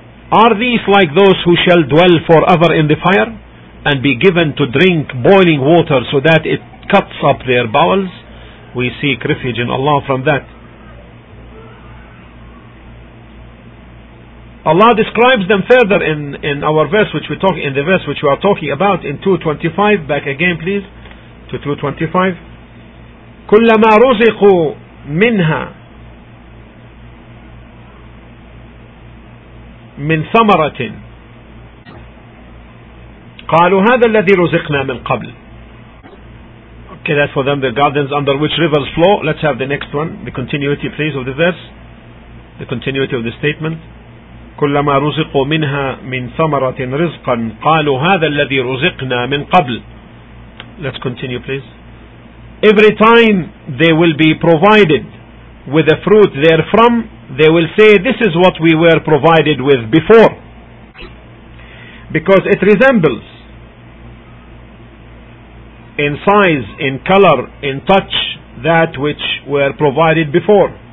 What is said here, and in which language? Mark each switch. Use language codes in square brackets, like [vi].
[en] Are these like those who shall dwell forever in the fire and be given to drink boiling water so that it cuts up their bowels? We seek refuge in Allah from that. Allah describes them further in our verse, which we talk in the verse which we are talking about in 225. Back again, please, to 225. [ar] كلما رزقوا منها من ثمرة قالوا هذا الذي رزقنا من قبل. [en] Okay, that's for them, the gardens under which rivers flow. Let's have the next one, the continuity, please, of the verse, the continuity of the statement. [ar] كلما رزقوا منها من ثمرة رزقا قالوا هذا الذي رزقنا من قبل. [en] Let's continue, please. Every time they will be provided with a fruit therefrom, they will say, this is what we were provided with before. Because it resembles in size, in color, in touch, that which were provided before.